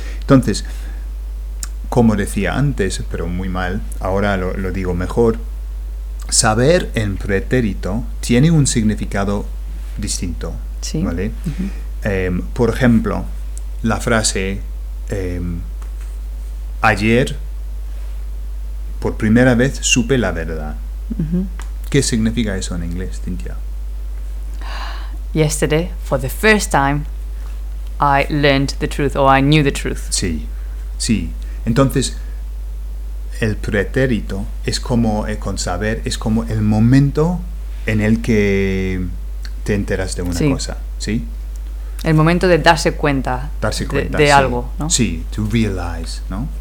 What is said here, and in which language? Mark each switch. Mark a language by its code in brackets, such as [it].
[es] Entonces, como decía antes, pero muy mal, ahora lo digo mejor, saber en pretérito tiene un significado distinto, ¿sí? ¿Vale? Uh-huh. Por ejemplo, la frase, ayer por primera vez supe la verdad. Uh-huh. ¿Qué significa eso en inglés, Cynthia? [en] Yesterday, for the first time, I learned the truth, or I knew the truth. [es] Sí, sí. Entonces, el pretérito es como, con saber, es como el momento en el que te enteras de una cosa, ¿sí? El momento de darse cuenta de algo, ¿no? Sí, [en] to realize, [es] ¿no?